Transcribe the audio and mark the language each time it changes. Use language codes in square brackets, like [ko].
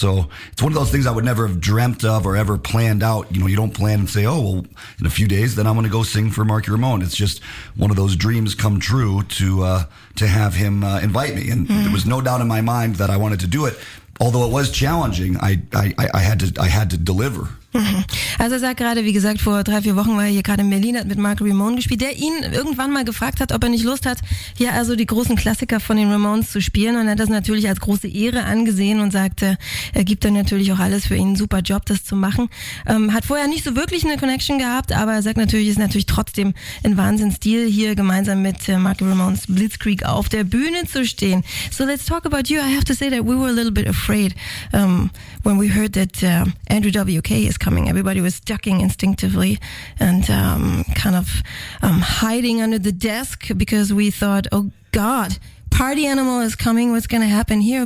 [en] So it's one of those things I would never have dreamt of or ever planned out. You know, you don't plan and say, oh, well, in a few days, then I'm going to go sing for Marky Ramone. It's just one of those dreams come true to have him invite me. And there was no doubt in my mind that I wanted to do it. Although it was challenging, I had to deliver. [de] Also er sagt gerade, wie gesagt, vor 3-4 Wochen war er hier gerade in Berlin, hat mit Marky Ramone gespielt, der ihn irgendwann mal gefragt hat, ob er nicht Lust hat, hier also die großen Klassiker von den Ramones zu spielen, und er hat das natürlich als große Ehre angesehen und sagte, er gibt dann natürlich auch alles für ihn, super Job, das zu machen. Hat vorher nicht so wirklich eine Connection gehabt, aber er sagt natürlich, ist natürlich trotzdem ein Wahnsinnsstil, hier gemeinsam mit Marky Ramones Blitzkrieg auf der Bühne zu stehen. [en] So let's talk about you. I have to say that we were a little bit afraid when we heard that Andrew W.K. is coming. Everybody was ducking instinctively and kind of hiding under the desk because we thought, oh God, party animal is coming. What's going to happen here?